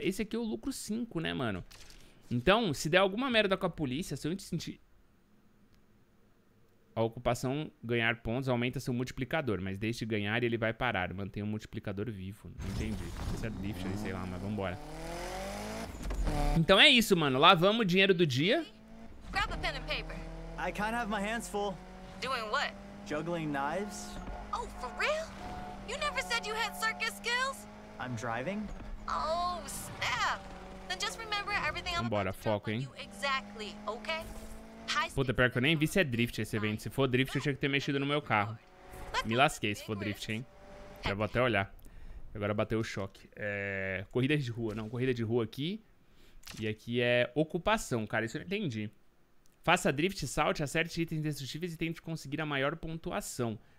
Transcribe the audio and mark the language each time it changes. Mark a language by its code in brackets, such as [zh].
[pt] Esse aqui é o lucro 5, né, mano? Então, se der alguma merda com a polícia, se eu te sentir... A ocupação ganhar pontos aumenta seu multiplicador, mas deixe ganhar e ele vai parar. Mantenha o multiplicador vivo. Não entendi. Isso é drift ali, sei lá, mas vambora. Então é isso, mano. Lavamos o dinheiro do dia. [en] Grab a pen and paper. I can't have my hands full. Doing what? Juggling knives. Oh, for real? You never said you had circus skills? I'm driving. Oh, snap. Then just remember everything I'm about to tell you exactly, okay? [pt] Puta, pior que eu nem vi se é drift esse evento. Se for drift, eu tinha que ter mexido no meu carro. Me lasquei se for drift, hein? Já vou até olhar. Agora bateu o choque. É... Corrida de rua. Não, corrida de rua aqui. E aqui é ocupação, cara. Isso eu não entendi. Faça drift, salte, acerte itens destrutíveis e tente conseguir a maior pontuação.